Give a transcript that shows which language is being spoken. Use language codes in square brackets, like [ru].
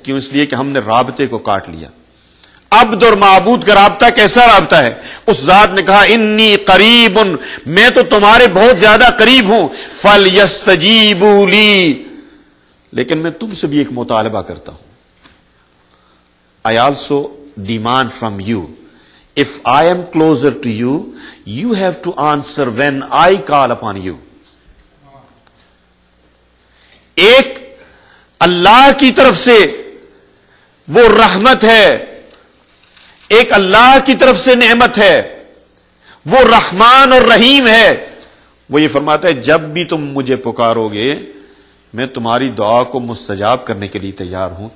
[ur] کیوں؟ اس لیے کہ ہم نے رابطے کو کاٹ لیا. عبد اور معبود کا رابطہ کیسا رابطہ ہے؟ اس ذات نے کہا [ar] انی قریب, [ur] میں تو تمہارے بہت زیادہ قریب ہوں, [ar] فلیستجیبوا لی, [ur] لیکن میں تم سے بھی ایک مطالبہ کرتا ہوں. [en] I also demand from you, if I am closer to you, you have to answer when I call upon you. [ur] ایک اللہ کی طرف سے وہ رحمت ہے, ایک اللہ کی طرف سے نعمت ہے, وہ رحمان اور رحیم ہے. وہ یہ فرماتا ہے جب بھی تم مجھے پکارو گے میں تمہاری دعا کو مستجاب کرنے کے لیے تیار ہوں.